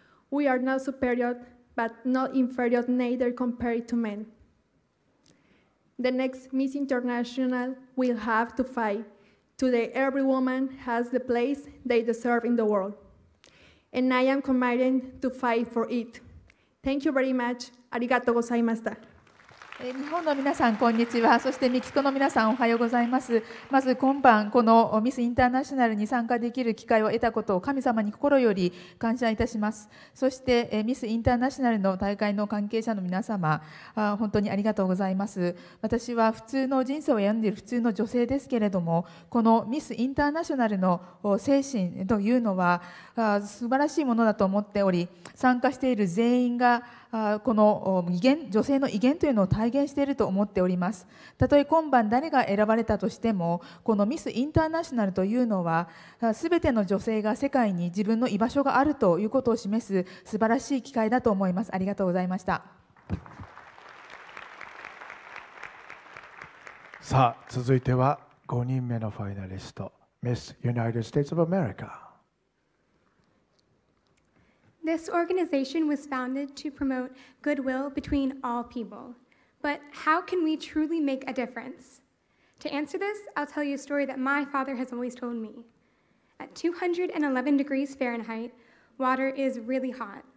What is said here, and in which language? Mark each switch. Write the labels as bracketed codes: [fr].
[en] We are not superior, but not inferior, neither compared to men. The next Miss International will have to fight. Today, every woman has the place they deserve in the world. And I am committed to fight for it. Thank you very much. [ja] ありがとうございました。日本の皆さんこんにちは。そしてメキシコの皆さんおはようございます。まず今晩このミスインターナショナルに参加できる機会を得たことを神様に心より感謝いたします。そしてミスインターナショナルの大会の関係者の皆様、本当にありがとうございます。私は普通の人生を歩んでいる普通の女性ですけれども、このミスインターナショナルの精神というのは素晴らしいものだと思っており、参加している全員がこの威厳、女性の威厳というのを体現していると思っております。たとえ今晩誰が選ばれたとしても、このミスインターナショナルというのは全ての女性が世界に自分の居場所があるということを示す素晴らしい機会だと思います。ありがとうございました。さあ続いては5人目のファイナリスト、ミスユナイテッド・ステーツ・オブ・アメリカ。 [en] This organization was founded to promote goodwill between all people. But how can we truly make a difference? To answer this, I'll tell you a story that my father has always told me. At 211 degrees Fahrenheit, water is really hot.